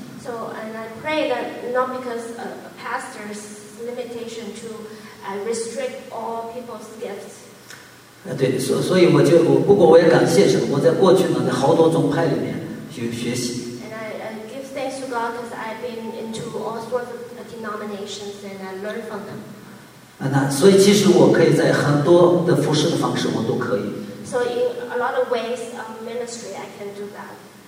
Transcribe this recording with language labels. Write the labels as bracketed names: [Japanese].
[English] So and I pray that not because a pastor's limitation to restrict all people's gifts. [Chinese] 对，所以我就不过我也感谢神，我在过去呢，在好多宗派里面去学习。 [English] And I give thanks to God because I've been into all sorts of denominations and I learn from them. [Chinese] 那所以其实我可以在很多的服侍的方式我都可以。 [English] So in a lot of ways of ministry, I can do that.